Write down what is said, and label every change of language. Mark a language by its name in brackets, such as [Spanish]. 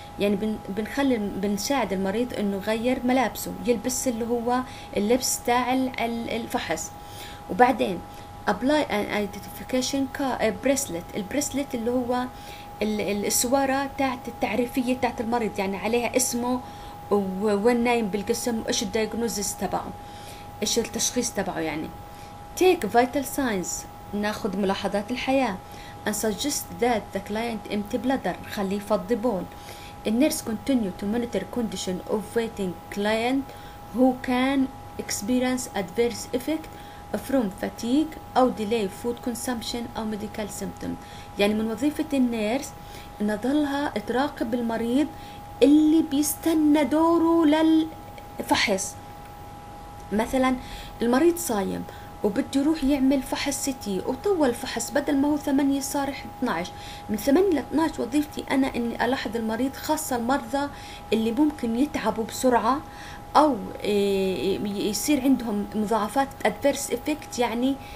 [Arabic] يعني بنخلي بنساعد المريض انه يغير ملابسه، يلبس اللي هو اللبس تاع الفحص. وبعدين [English] apply an identification bracelet، [Arabic] البريسلت اللي هو السوارة تاعت التعريفية تاعت المريض، يعني عليها اسمه وين نايم بالقسم وايش الدياجنوزيس تبعه، ايش التشخيص تبعه. [English] يعني take vital signs، [Arabic] ناخذ ملاحظات الحياة، [English] and suggest that the client empty bladder، [Arabic] خليه يفضي بول. [English] النيرس continue to monitor condition of waiting client who can experience adverse effect from fatigue او delay food consumption او medical symptom. [Arabic] يعني من وظيفة النيرس انها ظلها تراقب المريض اللي بيستنى دوره للفحص. مثلا المريض صايم وبده يروح يعمل فحص سيتي، وطول الفحص بدل ما هو 8 صار 12، من 8 ل 12 وظيفتي انا اني الاحظ المريض، خاصة المرضى اللي ممكن يتعبوا بسرعة او يصير عندهم مضاعفات adverse effect، يعني